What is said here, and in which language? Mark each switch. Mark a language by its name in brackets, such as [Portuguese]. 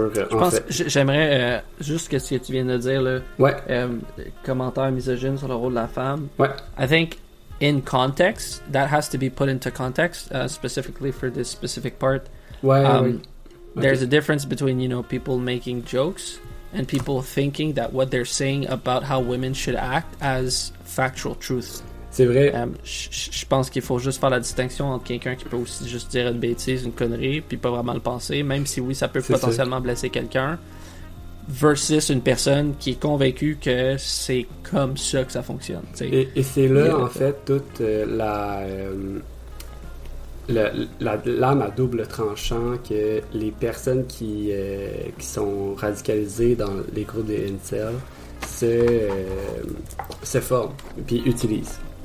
[French] je pense que j'aimerais juste que ce que tu viens de dire là, ouais. Commentaire misogyne sur le rôle de la femme, ouais. [English] I think in context that has to be put into context specifically for this specific part. [French] Ouais, ouais. [English] There's a difference between, you know, people making jokes and people thinking that what they're saying about how women should act as factual truth. [French] C'est vrai. Je pense qu'il faut juste faire la distinction entre quelqu'un qui peut aussi juste dire une bêtise, une connerie, puis pas vraiment le penser, même si oui, ça peut c'est potentiellement ça. Blesser quelqu'un, versus une personne qui est convaincue que c'est comme ça que ça fonctionne. Et c'est là, en fait, toute la lame à double tranchant que les personnes qui sont radicalisées dans les groupes des incel se forment, puis utilisent.